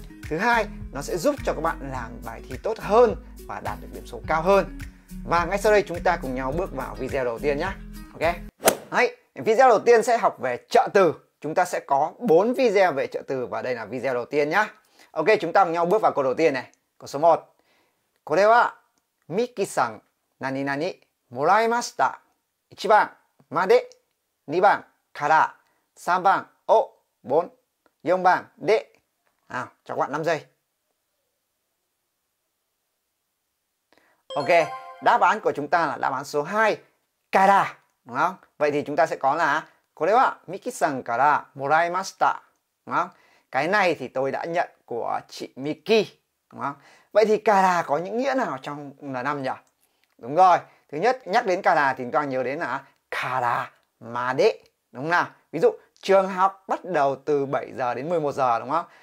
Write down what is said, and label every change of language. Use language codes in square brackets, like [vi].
[vi] Thứ hai, nó sẽ giúp cho các bạn làm bài thi tốt hơn và đạt được điểm số cao hơn. Và ngay sau đây chúng ta cùng nhau bước vào video đầu tiên nhé. Ok. Đấy, video đầu tiên sẽ học về trợ từ. Chúng ta sẽ có 4 video về trợ từ và đây là video đầu tiên nhé. Ok, chúng ta cùng nhau bước vào câu đầu tiên này. Câu số 1. [ja] これはミキさん何々もらいました。 1番まで、2番から、3番を、4番で。 [vi] Nào, cho các bạn 5 giây. Ok, đáp án của chúng ta là đáp án số 2. Kara, đúng không? Vậy thì chúng ta sẽ có là [ja] これはミキさんからもらいました。 [vi] Đúng không? Cái này thì tôi đã nhận của chị Miki. Đúng không? Vậy thì kara có những nghĩa nào trong N5 nhỉ? Đúng rồi. Thứ nhất, nhắc đến kara thì các bạn nhớ đến là kara made. Đúng không nào? Ví dụ, trường học bắt đầu từ 7 giờ đến 11 giờ, đúng không?